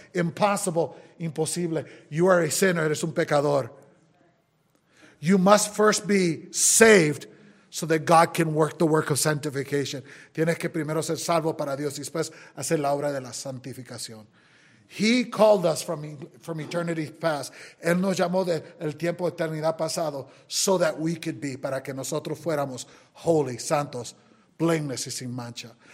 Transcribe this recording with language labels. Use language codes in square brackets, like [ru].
[en] Impossible, [es] imposible. [en] You are a sinner, [es] eres un pecador. [en] You must first be saved so that God can work the work of sanctification. [es] Tienes que primero ser salvo para Dios y después hacer la obra de la santificación. [en] He called us from eternity past. [es] Él nos llamó del tiempo de eternidad pasado [en] so that we could be, [es] para que nosotros fuéramos [en] holy, [es] santos, [en] blameless [es] y sin mancha.